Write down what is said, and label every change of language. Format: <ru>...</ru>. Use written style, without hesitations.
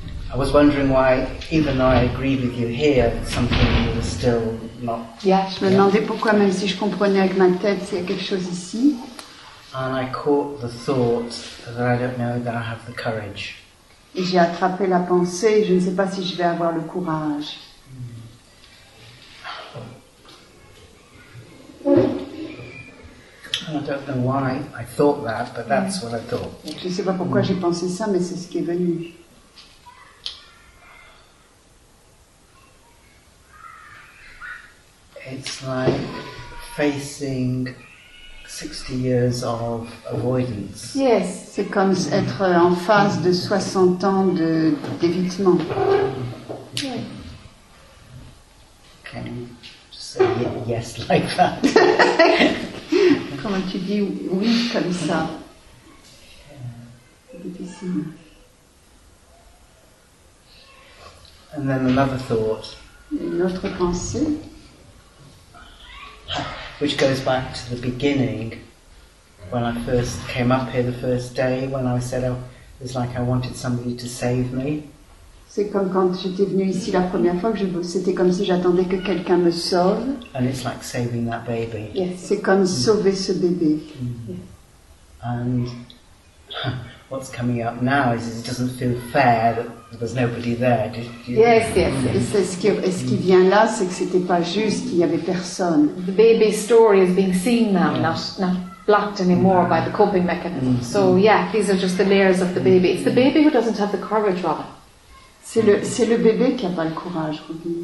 <en>I was wondering why, even though I agree with you here, something was still not.</en> <fr>Yeah, je me demandais pourquoi, même si je comprenais avec ma tête, s'il y a quelque chose ici.</fr> <en>And I caught the thought that I don't know that I have the courage.</en> <fr>Et j'ai attrapé la pensée, je ne sais pas si je vais avoir le courage.</fr> <en>And I don't know why I thought that, but that's what I thought.</en> <fr>Et je ne sais pas pourquoi j'ai pensé ça, mais c'est ce qui est venu.</fr> <en>It's like facing 60 years of avoidance. Yes,</en> <fr>c'est comme être en face de 60 ans de d'évitement.</fr> <en>Can you just say yes like that?</en> <fr>Comment tu dis oui comme ça? Difficile.</fr> <en>And then another thought.</en> <fr>Une autre pensée.</fr> <en>Which goes back to the beginning, when I first came up here the first day, when I said, oh, It's like I wanted somebody to save me.</en> <fr>C'est comme quand j'étais venue ici la première fois que c'était comme si j'attendais que quelqu'un me sauve.</fr> <en>And it's like saving that baby.</en> <fr>Yes. C'est comme sauver ce bébé.</fr> <en>And what's coming up now is it doesn't feel fair that there's nobody there.</en> <fr>Et ce qui vient là, c'est que c'était pas juste qu'il y avait personne.</fr> <en>The baby story is being seen now, not blocked anymore by the coping mechanism. Mm-hmm. So yeah, these are just the layers of the baby. It's the baby who doesn't have the courage, Robin.</en> <fr>C'est le bébé qui a pas le courage, Robin.</fr>